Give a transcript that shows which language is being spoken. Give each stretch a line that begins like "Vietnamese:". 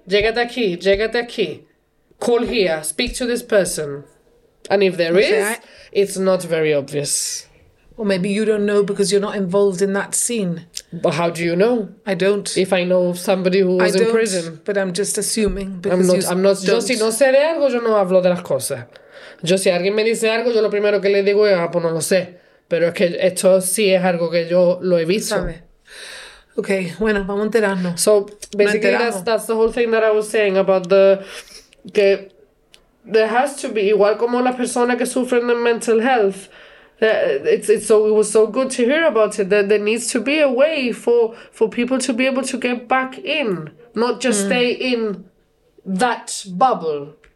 Spanish: Llegate aquí.
English: Call here. Speak to this person. And if there is, it's not very obvious. Well, maybe you don't know because you're not involved in that scene. But how do you know? I don't. If I know somebody who was in prison. But I'm just assuming. I'm not.
Spanish: Yo si no sé de algo, yo no hablo de las cosas. Yo si alguien me dice algo, yo lo primero que le digo es, pues no lo sé. Pero es que esto sí es algo que yo lo he visto. ¿Sabe? Okay, bueno, vamos a enterarnos.
English: So, basically, that's the whole thing that I was saying about the... Que there has to be,
Spanish: igual como las personas que sufren de
English: mental health, that it's so, it was so good to hear about it, that there needs to be a way for people to be able to get back in, not just stay in that bubble.